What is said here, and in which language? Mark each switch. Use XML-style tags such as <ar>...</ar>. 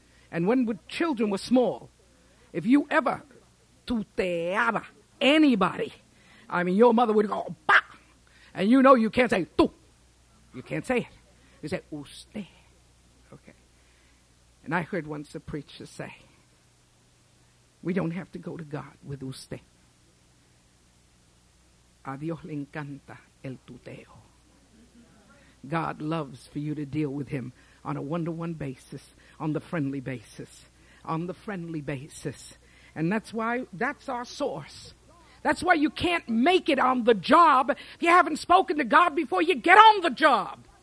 <en>And when children were small, if you ever tuteaba anybody, I mean, your mother would go, bah! And you know you can't say tú. You can't say it. You say usted. Okay. And I heard once a preacher say, we don't have to go to God with usted.</en> <es>A Dios le encanta el tuteo.</es> <en>God loves for you to deal with him on a one-to-one basis, on the friendly basis, on the friendly basis. And that's why, that's our source. That's why you can't make it on the job if you haven't spoken to God before you get on the job.</en>